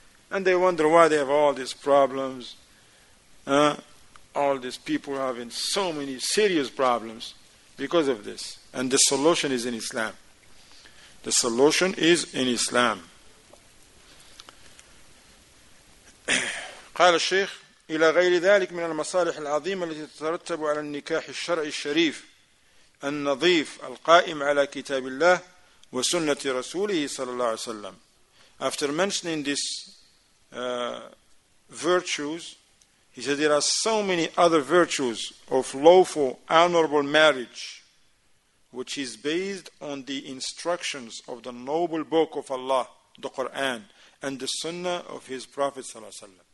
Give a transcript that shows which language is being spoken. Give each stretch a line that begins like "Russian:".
English: And they wonder why they have all these problems. All these people having so many serious problems because of this. And the solution is in Islam. The solution is in Islam.
Arabic: قال الشيخ إلى غير ذلك من المصالح العظيمة التي تترتب على النكاح الشرعي الشريف النظيف القائم على كتاب الله وسنة رسوله صلى الله عليه وسلم.
English: After mentioning these virtues, he said there are so many other virtues of lawful, honorable marriage, which is based on the instructions of the noble book of Allah, the Quran, and the Sunnah of His Prophet صلى الله عليه وسلم.